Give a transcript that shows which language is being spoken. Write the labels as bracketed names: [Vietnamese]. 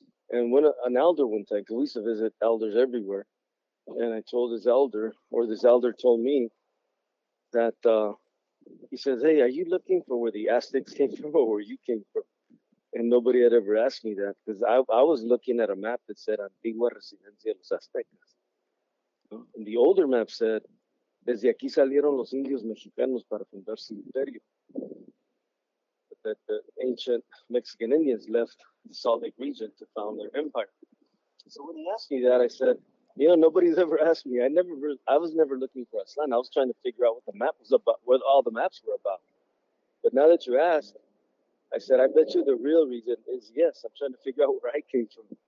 [English] And when an elder one time, because we used to visit elders everywhere, and I told this elder, or this elder told me that he says, hey, are you looking for where the Aztecs came from or where you came from? And nobody had ever asked me that, because I was looking at a map that said [Spanish] Antigua Residencia de los Aztecas. [English] And the older map said, [Spanish] desde aquí salieron los indios mexicanos para fundar su imperio. [English] That the ancient Mexican Indians left the Salt Lake region to found their empire. So when he asked me that, I said, you know, nobody's ever asked me. I was never looking for Aztlán. I was trying to figure out what the map was about, what all the maps were about. But now that you ask, I said, I bet you the real reason is, yes, I'm trying to figure out where I came from.